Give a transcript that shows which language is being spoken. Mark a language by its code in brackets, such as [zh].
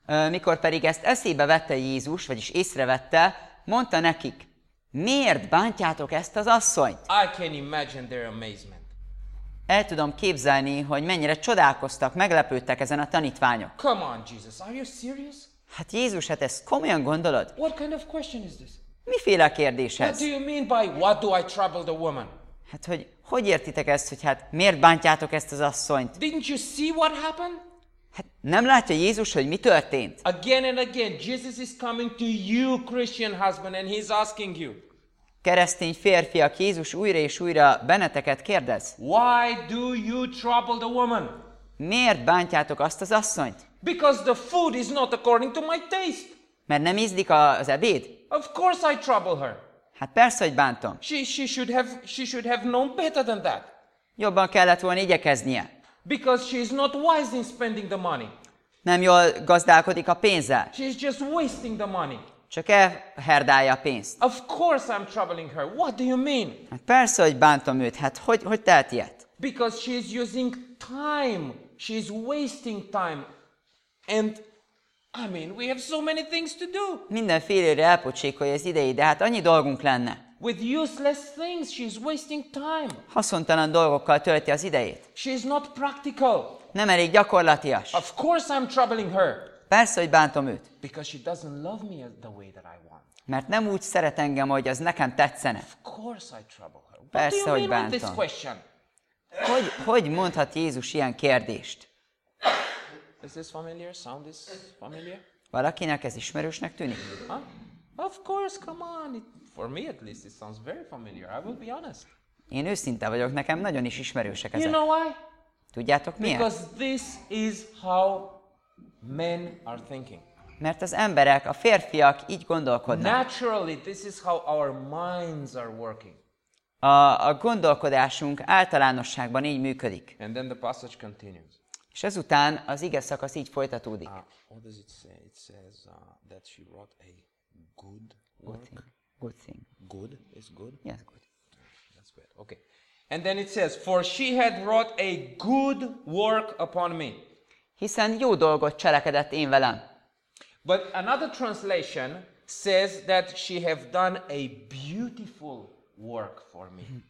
[hu] Mikor pedig ezt eszébe vette Jézus, vagyis észrevette, mondta nekik, miért bántjátok ezt az asszonyt? [en] I can imagine their amazement. [hu] El tudom képzelni, hogy mennyire csodálkoztak, meglepődtek ezen a tanítványok. [en] Come on, Jesus, are you serious? [hu] Hát Jézus, hát ezt komolyan gondolod? [en] What kind of question is this? [hu] Miféle kérdés ez? [en] What do you mean by what do I trouble the woman? [hu] Hát hogy értitek ezt, hogy hát miért bántjátok ezt az asszonyt? [en] Didn't you see what happened? [hu] Hát nem látja Jézus, hogy mi történt? [en] Again and again, Jesus is coming to you, Christian husband, and he's asking you. [hu] Keresztény férfiak, Jézus újra és újra benneteket kérdez. [en] Why do you trouble the woman? [hu] Miért bántjátok azt az asszonyt? [en] Because the food is not according to my taste. [hu] Mert nem ízlik az ebéd? [en] Of course I trouble her. [hu] Hát persze, hogy bántom. [en] She should have known better than that. [hu] Jobban kellett volna igyekeznie. [en] Because she is not wise in spending the money. [hu] Nem jól gazdálkodik a pénzzel. [en] She is just wasting the money. [hu] Csak elherdálja a pénzt. [en] Of course I'm troubling her. What do you mean? [hu] Hát persze, hogy bántom őt. Hát hogy tehet ilyet? [en] Because she is using time. She is wasting time. And I mean, we have so many things to do. [hu] Mindenfélére elpocsékolja az idejét, de hát annyi dolgunk lenne. [en] With useless things, she's wasting time. [hu] Haszontalan dolgokkal tölti az idejét. [en] She is not practical. [hu] Nem elég gyakorlatias. [en] Of course I'm troubling her. [hu] Persze, hogy bántom őt. [en] Because she doesn't love me the way that I want. [hu] Mert nem úgy szeret engem, hogy az nekem tetszene. [en] Of course I trouble her. [hu] Persze, hogy bántom. [en] What do you mean with this question? [hu] Hogy mondhat Jézus ilyen kérdést? [en] Is this familiar? Sound is familiar? [hu] Valakinek ez ismerősnek tűnik? [en] Huh? Of course, come on. For me at least it sounds very familiar. I will be honest. [hu] Én őszinte vagyok, nekem nagyon is ismerősek ezek. [en] You know why? [hu] Tudjátok miért? [en] Because this is how men are thinking. [hu] Mert az emberek, a férfiak így gondolkodnak. [en] Naturally, this is how our minds are working. [hu] A gondolkodásunk általánosságban így működik. [en] And then the passage continues. [hu] És ezután az ige szakasz így folytatódik. [en] What does it say? It says that she wrote a good work. Good thing. Good is good? Yes, good. That's good. Okay. And then it says, for she had wrought a good work upon me. [hu] Hiszen jó dolgot cselekedett én velem. [en] But another translation says that she have done a beautiful work for me.